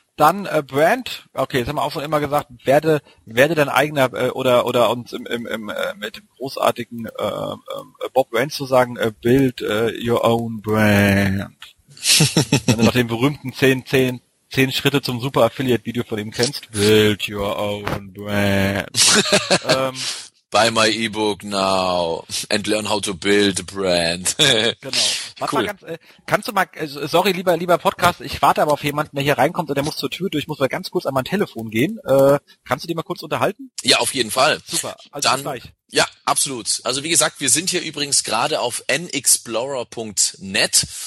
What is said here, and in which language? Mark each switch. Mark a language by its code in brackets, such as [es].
[de] Dann Brand, okay, das haben wir auch schon immer gesagt, werde dein eigener oder uns im mit dem großartigen Bob Brand zu sagen, [en] build your own brand. [de] Wenn du noch den berühmten 10 Schritte zum Super Affiliate Video von ihm kennst, [en] build your own brand. Buy my e-book now and learn how to build a brand. [de] Genau. Cool. Kannst du mal, sorry, lieber Podcast, ich warte aber auf jemanden, der hier reinkommt und der muss zur Tür durch, muss mal ganz kurz an mein Telefon gehen. Kannst du dich mal kurz unterhalten? Ja, auf jeden Fall. Super. Also dann, bis gleich. Ja, absolut. Also wie gesagt, wir sind hier übrigens gerade auf nexplorer.net.